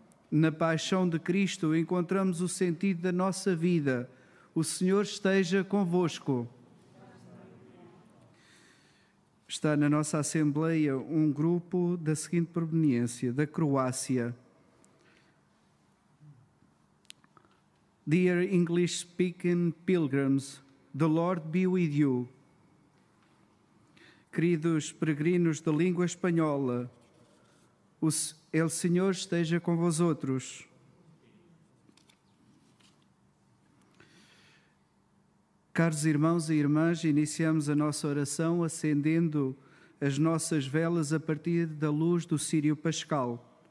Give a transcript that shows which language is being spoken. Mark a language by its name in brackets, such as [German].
[Portuguese] Na paixão de Cristo encontramos o sentido da nossa vida. O Senhor esteja convosco. Está na nossa Assembleia um grupo da seguinte proveniência, da Croácia. [English] Dear English-speaking pilgrims, the Lord be with you. [Portuguese] Queridos peregrinos de língua espanhola, o Senhor esteja com vós outros. Caros irmãos e irmãs, iniciamos a nossa oração acendendo as nossas velas a partir da luz do Círio Pascal.